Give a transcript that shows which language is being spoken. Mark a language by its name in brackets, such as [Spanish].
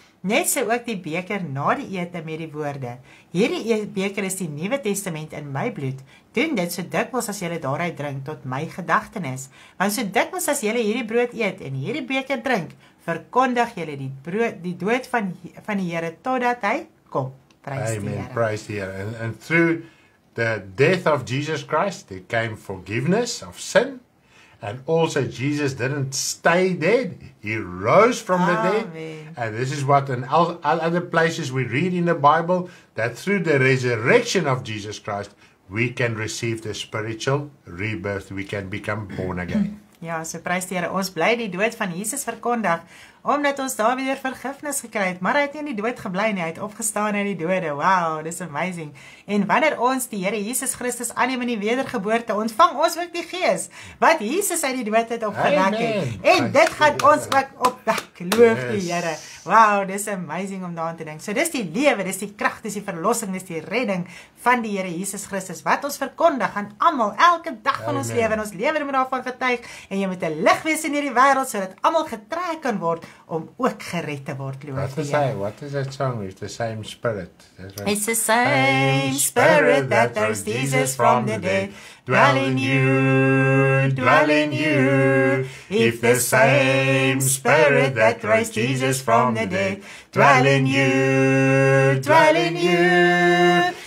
[Afrikaans] Net so ook die beker na die ete met die woorde, hierdie beker is die Nuwe Testament in my bloed, doen dit so dikwels as julle daaruit drink tot my gedagtenis, want so dikwels as julle hierdie brood eet en hierdie beker drink, verkondig julle die brood, die dood van die Here totdat hy kom. [English] Praise the Here. And through the death of Jesus Christ, there came forgiveness of sin. And also Jesus didn't stay dead. He rose from the dead. And this is what in all other places we read in the Bible, that through the resurrection of Jesus Christ, we can receive the spiritual rebirth. We can become born again. [Afrikaans] Ja, so prys die Here, ons bly die dood van Jesus verkondig, omdat ons daar weer vergifnis gekry het, maar hy het nie in die dood gebly nie, hy het opgestaan uit die dode, wow, dis amazing. En wanneer ons die Here Jesus Christus aanneem in die wedergeboorte, ontvang ons ook die gees, wat Jesus uit die dood het opgewek het. En dit gaat ons ook opwek, loof die Here. Wow, dis amazing om daaraan te denk. So dis die lewe, dis die kracht, dis die verlossing, dis die redding van die Here Jesus Christus, wat ons verkondig aan allemaal, elke dag van ons lewe, en ons lewe moet daarvan getuig, en jy moet 'n lig wees in hierdie wêreld, sodat allemaal getrek kan word, om ook gered te word, loof [English] die Here. What is that song? It's the same spirit. It's the same spirit that raised Jesus from the dead. Dwell in you, dwell in you. If the same spirit that raised Jesus from the dead. Dwell in you, dwell in you.